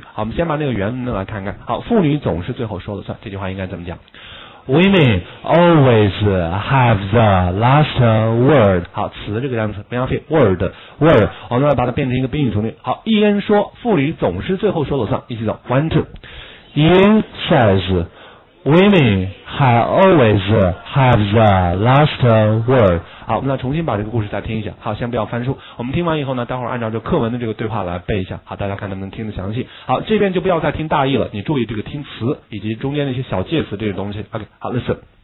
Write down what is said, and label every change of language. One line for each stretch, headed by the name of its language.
Chinese: 好，我们先把那个原文来看看。好，妇女总是最后说了算，这句话应该怎么讲？
English: Women always have the last word.
Chinese: 好，词这个单词不要费 word
English: word.
Chinese: 我们来把它变成一个宾语从句。好，伊恩说，妇女总是最后说了算。一起走 ，
English: one two. Ian says, women have always have the last word.
Chinese: 好，我们来重新把这个故事再听一下。好，先不要翻书。我们听完以后呢，待会儿按照这课文的这个对话来背一下。好，大家看能不能听得详细。好，这边就不要再听大意了，你注意这个听词以及中间的一些小介词这些东西。
English: OK,
Chinese: 好
English: ，listen.